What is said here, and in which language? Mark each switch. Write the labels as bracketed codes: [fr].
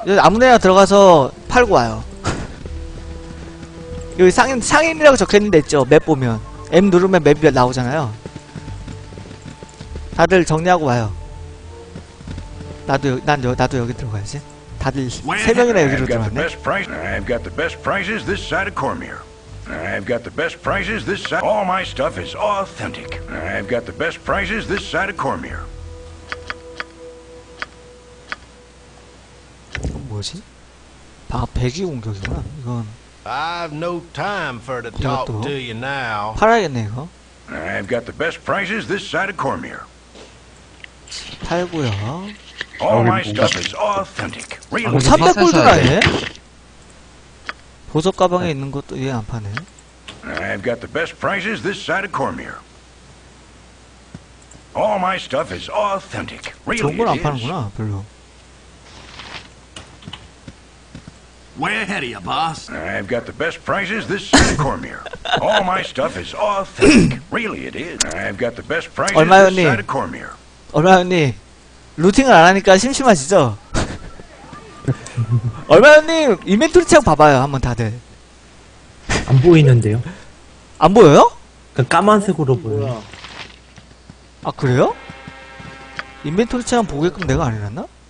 [ko] 아무데나 들어가서 팔고 와요. 여기 상임이라고 적혀있는데 있죠? 맵 보면 M 누르면 맵이 나오잖아요. 다들 정리하고 와요. 나도 여기 들어가야지. 다들 세 명이나 여기로 들어왔네. [en] I've got the best prices this side of Cormier. I've got the best prices this side. All my stuff is authentic. I've got the best prices this side of Cormier. [ko] 뭐지? 아, 배기 공격이구나. 이건 [en] I've no time for to talk to you now. [ko] 팔아야겠네 이거. [en] I've got the best prices this side of Cormier. [ko] 팔고요. [en] All my stuff is authentic. [ko] 300골드라 해? 보석 가방에 있는 것도 얘 안 파네. [en] I've got the best prices this side of Cormier. All my stuff is authentic. [ko] 좋은 걸 안 파는구나, 별로. [en] Way ahead of you, boss. I've got the best prices this side of Cormier. All my stuff is authentic. Really, it is. I've got the best prices this side of Cormier. [ko] 얼마 언니? 루팅을 안 하니까 심심하시죠? 얼마 언니? 인벤토리 창 봐봐요, 한번 다들. 안 보이는데요? 안 보여요? 그 까만색으로 보여요. 아 그래요? 인벤토리 창 보게끔 내가 안 해놨나?